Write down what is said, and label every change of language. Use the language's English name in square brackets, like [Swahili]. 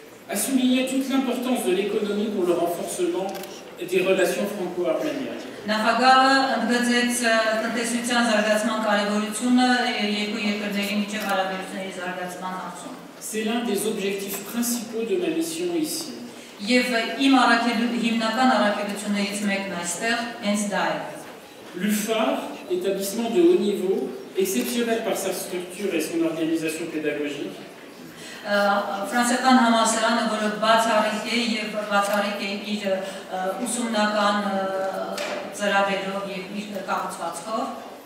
[French] A souligné toute l'importance de l'économie pour le renforcement des relations franco-arméniennes. [Armenian] Նախագահը ընդգծեց տնտեսության զարգացման կարևորությունը երկու երկրների միջև հարաբերությունների զարգացման հարցում. [French] C'est l'un des objectifs principaux de ma mission ici. [Armenian] Եվ իմ հիմնական առաքելություններից մեկն այստեղ հենց դա է. [French] L'UFAR, établissement de haut niveau, exceptionnel par sa structure et son organisation pédagogique. [Armenian] Ֆրանսիական համալսարանը, որը բացառիկ է եւ բացառիկ է իր ուսումնական ծրագրերով եւ իր կառուցվածքով,